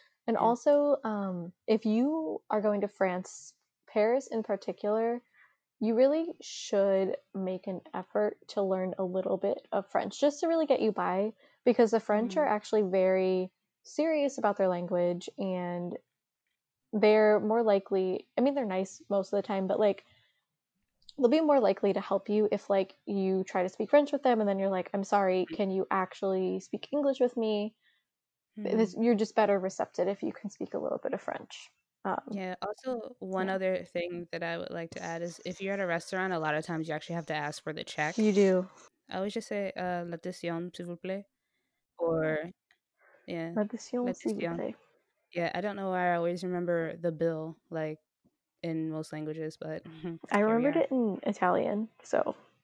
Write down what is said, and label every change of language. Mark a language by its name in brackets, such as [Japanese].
[English] And also, if you are going to France, Paris in particular, you really should make an effort to learn a little bit of French just to really get you by, because the French are actually very serious about their language, and they're more likely, I mean, they're nice most of the time, but, like, they'll be more likely to help you if, like, you try to speak French with them and then you're like, I'm sorry, can you actually speak English with me? You're just better recepted if you can speak a little bit of French. Other thing that I would like to add is, if you're at a restaurant, a lot of times you actually have to ask for the check. You do. I always just say, [French] l'addition, s'il vous plaît. [English] Or, yeah. [French] L'addition, s'il vous plaît. [English] Yeah, I don't know why I always remember the bill, like, in most languages, but. I remembered it in Italian, so.